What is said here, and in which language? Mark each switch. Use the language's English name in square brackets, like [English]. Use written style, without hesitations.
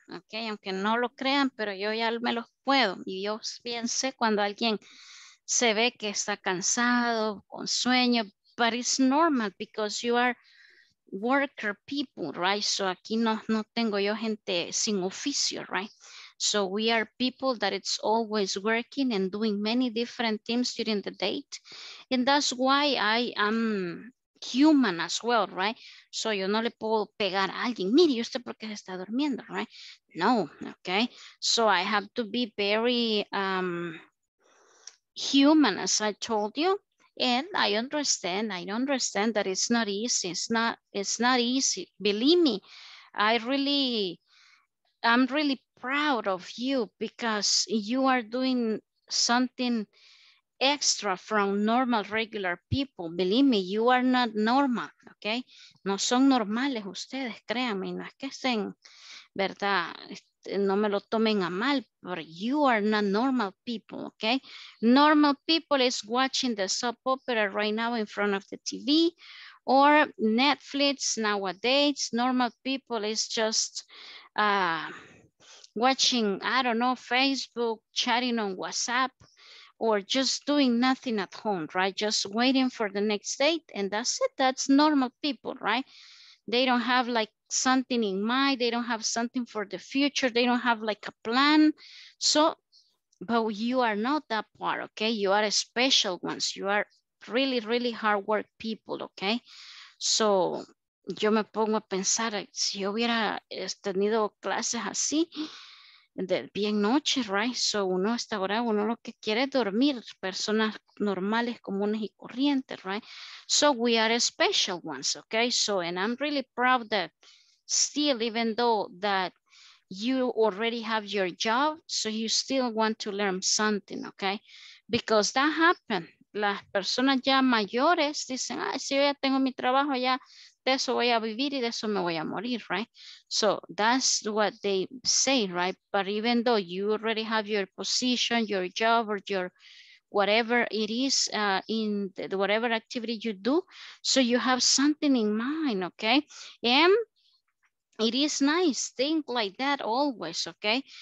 [Spanish] Okay, aunque no lo crean, pero yo ya me los puedo. Y yo bien sé cuando alguien se ve que está cansado, con sueño. [English] But it's normal because you are worker people, right? [Spanish] So aquí no tengo yo gente sin oficio, right? [English] So we are people that it's always working and doing many different things during the day. And that's why I am human as well, right? [Spanish] So yo no le puedo pegar a alguien, mire, ¿y usted por qué se está durmiendo, right? [English] No, okay? So I have to be very human, as I told you. And I understand that it's not easy. It's not easy. Believe me, I'm really proud of you because you are doing something extra from normal, regular people. Believe me, you are not normal, okay? [Spanish] No son normales ustedes, créanme, no es que estén, ¿verdad? No me lo tomen a mal, [English] but you are not normal people, okay? Normal people is watching the soap opera right now in front of the TV or Netflix nowadays. Normal people is just watching, I don't know, Facebook, chatting on WhatsApp, or just doing nothing at home, right? Just waiting for the next date, and that's it. That's normal people, right? They don't have like something in mind. They don't have something for the future. They don't have like a plan. So, but you are not that part, okay? You are a special ones. You are really, really hard work people, okay? [Spanish] So, yo me pongo a pensar, si yo hubiera tenido clases así, de bien noche, right? So, uno hasta ahora, uno lo que quiere es dormir, personas normales, comunes y corrientes, right? [English] So, we are special ones, okay? So, and I'm really proud that still, even though that you already have your job, so you still want to learn something, okay? Because that happened. [Spanish] Las personas ya mayores dicen, ah, si yo ya tengo mi trabajo, ya de eso voy a vivir y de eso me voy a morir, right? [English] So that's what they say, right? But even though you already have your position, your job, or your whatever it is in the whatever activity you do, so you have something in mind, okay? And it is nice, think like that always, okay?